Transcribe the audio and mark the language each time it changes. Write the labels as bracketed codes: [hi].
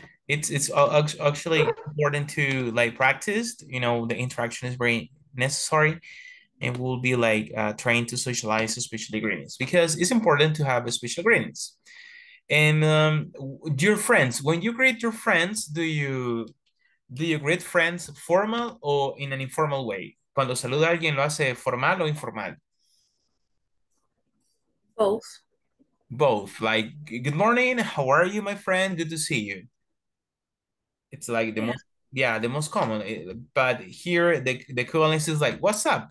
[en] It's actually important to like practice, you know, the interaction is very necessary. And we'll be like trained to socialize special greetings because it's important to have a special greetings. And your friends, when you greet your friends, do you greet friends formal or in an informal way? [es] Cuando saluda a alguien, ¿lo hace formal o informal? [en] Both. Both. Like, good morning, how are you, my friend? Good to see you. It's like the most... Yeah, the most common, but here the equivalence is like, what's up?